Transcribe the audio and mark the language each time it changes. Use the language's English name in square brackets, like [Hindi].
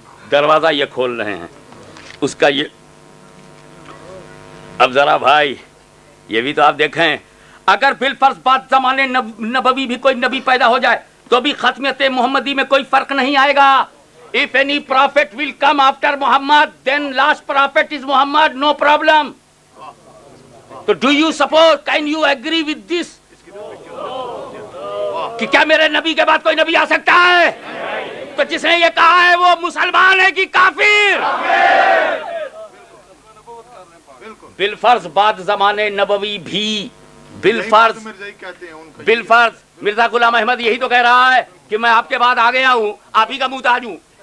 [Urdu] دروازہ یہ کھول رہے ہیں اس کا یہ۔ اب ذرا بھائی یہ بھی تو آپ دیکھیں، اگر بالفرض بعد زمانے نبوی بھی کوئی نبی پیدا ہو جائے تو بھی ختمیت محمدی میں کوئی فرق نہیں آئے گا۔ [English] If any prophet will come after Muhammad, then last prophet is Muhammad, no problem. So do you suppose, can you agree with this? [Urdu] کہ کیا میرے نبی کے بعد کوئی نبی آ سکتا ہے؟ تو جس نے یہ کہا ہے وہ مسلمان ہے کہ کافر؟ بالفرض بعد زمانے نبوی بھی، بالفرض مرزا غلام احمد یہی تو کہہ رہا ہے کہ میں آپ کے بعد آ گیا ہوں، آپ ہی کا محتاج ہوں،